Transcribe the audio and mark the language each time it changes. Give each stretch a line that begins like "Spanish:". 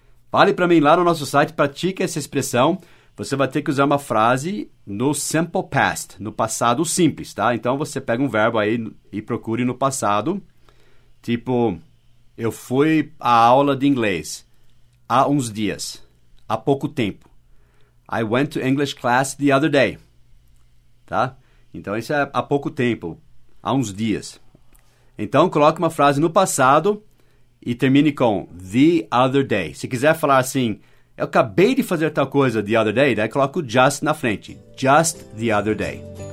Portuguese: Fale para mim lá no nosso site, pratique essa expressão. Você vai ter que usar uma frase no simple past, no passado simples, tá? Então, você pega um verbo aí e procure no passado. Tipo, eu fui à aula de inglês há uns dias, há pouco tempo.
English: I went to English class the other day, tá?
Portuguese: Então, isso é há pouco tempo, há uns dias. Então, coloque uma frase no passado e termine com
English: the other day.
Portuguese: Se quiser falar assim, eu acabei de fazer tal coisa
English: the other day,
Portuguese: daí coloque o just na frente.
English: Just the other day.